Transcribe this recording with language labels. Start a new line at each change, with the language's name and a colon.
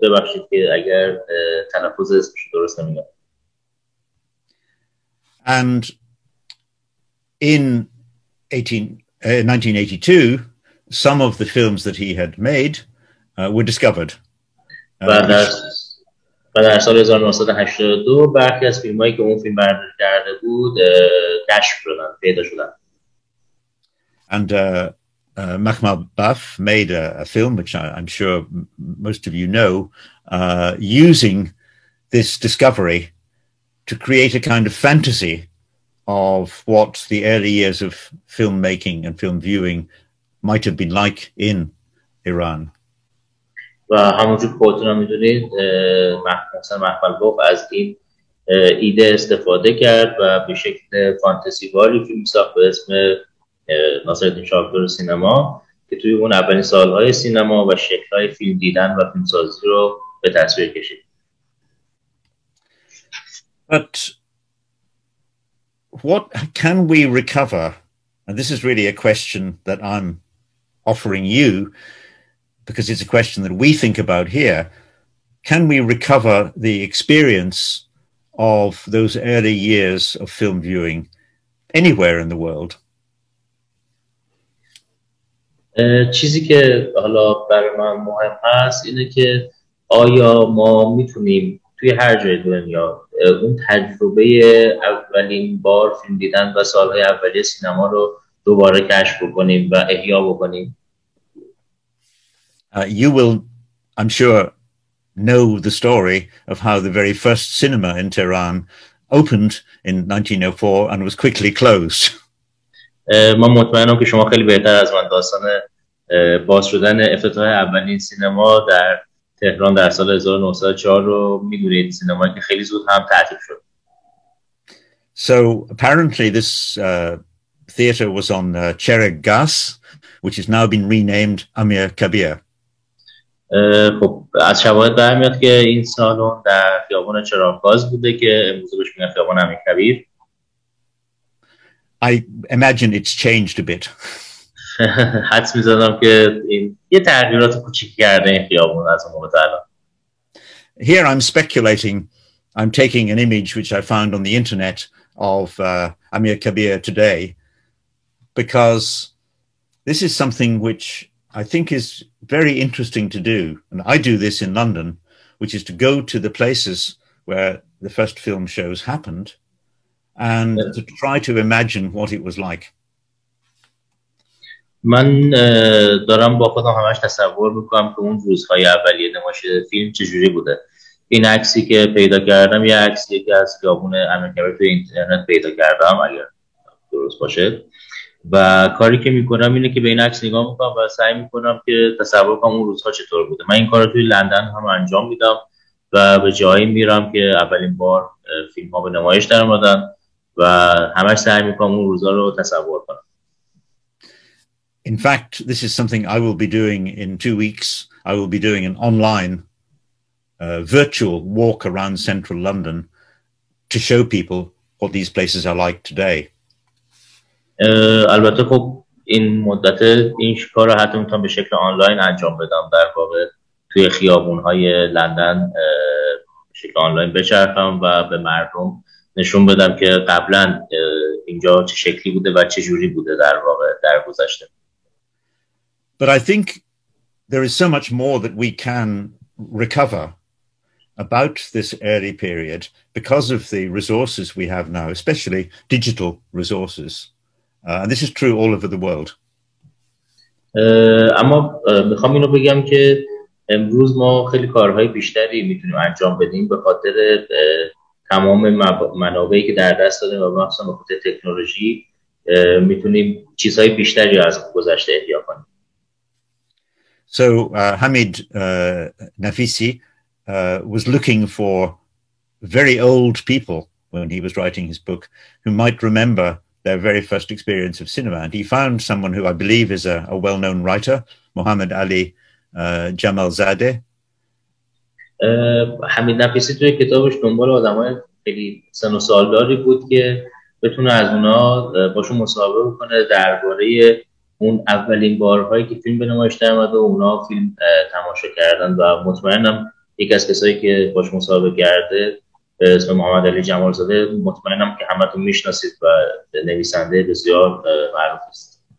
Persian: ببخشید که اگر تلفظ اسمش درست نمیگم.
English: And in 1982 some of the films that he had made were discovered. Which,
Persian: در سال 1982 برخی از فیلمایی که اون فیلم برداری کرده بود کشف شدن، پیدا شدن.
English: And Mahmoud Baff made a film, which I'm sure most of you know, using this discovery to create a kind of fantasy of what the early years of filmmaking and film viewing might have been like in Iran.
Persian: و همونجور که خودتون هم میدونید مخبل باف از این ایده استفاده کرد و به شکل فانتزی والی فیلم ساخت به اسم ناصرالدین شاپور سینما که توی اون اولین سالهای سینما و شکلهای فیلم دیدن و فیلم سازی رو به تصویر کشید.
English: But what can we recover? And this is really a question that I'm offering you, because it's a question that we think about here. Can we recover the experience of those early years of film viewing anywhere in the world?
Persian: چیزی که حالا برای من مهم هست اینه که آیا ما میتونیم توی هر جای دنیا اون تجربه اولین بار فیلم دیدن و سالهای اولیه سینما رو دوباره کشف بکنیم و احیا بکنیم؟
English: You will, I'm sure, know the story of how the very first cinema in Tehran opened in 1904 and was quickly closed.
Persian: من مطمئنم که شما خیلی بهتر از من داستان باز شدن افتتاح اولین سینما در تهران در سال 1904 رو میدونید، سینما که خیلی زود هم تعطیل شد.
English: So apparently this theater was on Chereg Gas, which has now been renamed Amir Kabir.
Persian: خب از شواهد برمیاد که این سالن در خیابان چراغ‌گاز بوده که امروز بهش میگن خیابان امیر کبیر.
English: I imagine it's changed a bit.
Persian: حدس می‌زنم که این یه تغییرات کوچیک کرده این خیابان از اون موقع تا الان.
English: Here I'm speculating. I'm taking an image which I found on the internet of Amir Kabir today, because this is something which I think is very interesting to do, and I do this in London, which is to go to the places where the first film shows happened and to try to imagine what it was like.
Persian: من دارم با خودم همش تصور میکنم که اون روزهای اولیه نمایش فیلم چجوری بوده. این عکسی که پیدا کردم یه عکسی که از خیابون امیرکبیر تو اینترنت پیدا کردم اگر درست باشه، و کاری که میکنم اینه که به این عکس نگاه میکنم و سعی میکنم که تصور کنم اون روزها چطور بوده. من این کار رو توی لندن هم انجام میدم و به جایی میرم که اولین بار فیلم ها به نمایش در اومدن و همش سعی میکنم اون روزها رو تصور کنم.
English: In fact, this is something I will be doing in 2 weeks. I will be doing an online virtual walk around central London to show people what these places are like today.
Persian: البته خب این مدت این کار رو حتی میتونم به شکل آنلاین انجام بدم، در واقع توی خیابون‌های لندن به شکل آنلاین بچرخم و به مردم نشون بدم که قبلا اینجا چه شکلی بوده و چه جوری بوده در واقع در گذشته.
English: But I think there is so much more that we can recover about this early period because of the resources we have now, especially digital resources. And this is true all over the world.
Persian: اما میخوام اینو بگم که امروز ما خیلی کارهای بیشتری میتونیم انجام بدیم به خاطر تمام منابعی که در دست داریم و مخصوصا به خاطر تکنولوژی میتونیم چیزهای بیشتری از گذشته احیا کنیم.
English: So Hamid Nafisi was looking for very old people when he was writing his book who might remember their very first experience of cinema, and he found someone who I believe is a well-known writer, Muhammad Ali Jamalzadeh.
Persian: Hamid Nafisi توی کتابش دنبال آدمای خیلی سن و سالداری بود که بتونه از اونا باشون مصاحبه بکنه درباره اون اولین بارهایی که فیلم به نمایش در اومد و اونا فیلم تماشا کردن، و مطمئنم یکی از کسایی که باشون مصاحبه کرده به اسم محمد علی جمالزاده، مطمئنم که همه تون میشناسید و نویسنده بسیار معروف است.